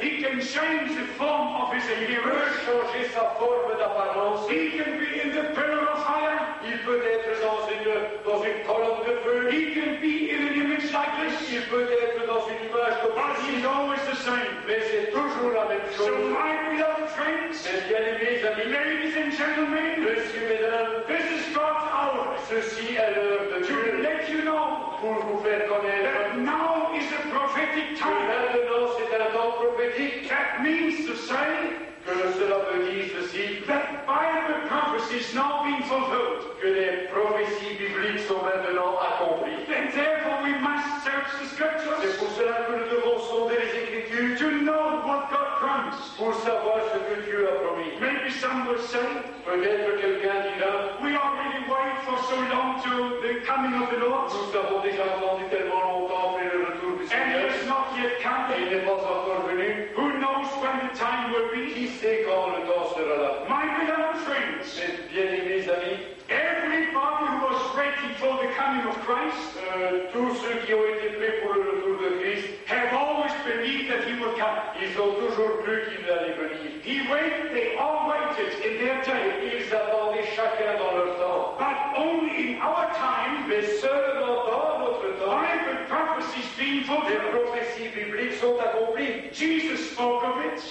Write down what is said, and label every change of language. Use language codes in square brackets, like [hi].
[en] He can change the form of his appearance. [fr] Il peut changer sa forme d'apparence. [en] He can be in the pillar of fire. [fr] Il peut être dans une colonne de feu. [en] He can be in an image like this. [fr] Il peut être dans une image comme ça. [en] But he is always the same. [fr] Mais c'est toujours la même chose. [en] So my beloved friends, [fr] mes bien-aimés amis, [en] ladies and gentlemen, [fr] messieurs, mesdames, [en] this is God's hour. [fr] Ceci est l'heure de Dieu. [en] To let you know, [fr] pour vous faire connaître, [en] now is a prophetic time. [fr] Maintenant, c'est un temps prophétique. [en] That means to say, [fr] que cela veut dire ceci, [en] that Bible prophecies now being fulfilled. [fr] Que les prophéties bibliques sont maintenant accomplies. [en] And therefore we must search the scriptures. [fr] C'est pour cela que nous devons sonder les écritures. [en] To know what God promised. [fr] Pour savoir ce que Dieu a promis. [en] Maybe some will say, [fr] peut-être quelqu'un dira, [en] we already wait for so long to the coming of the Lord. [fr] Nous avons déjà attendu tellement longtemps après le retour du Seigneur. [en] And he has not yet come. [fr] Il n'est pas encore venu. [en] Who knows when the time will be? [fr] Qui sait quand le temps sera là? [en] My beloved friends. [fr] Mes bien-aimés amis. [en] Everybody who was ready for the coming of Christ. [fr] Tous ceux qui ont été prêts pour le retour de Christ. [en] Have always believed that he would come. [fr] Ils ont toujours cru qu'il allait venir. [en] He waited, they all waited in their day. [fr] Ils attendaient chacun dans leur temps. [en] But only in our time. [fr] Mais seulement dans notre temps. [en] Bible prophecies being fulfilled. [fr] Les prophéties bibliques sont accomplies. [en] Jesus spoke of it.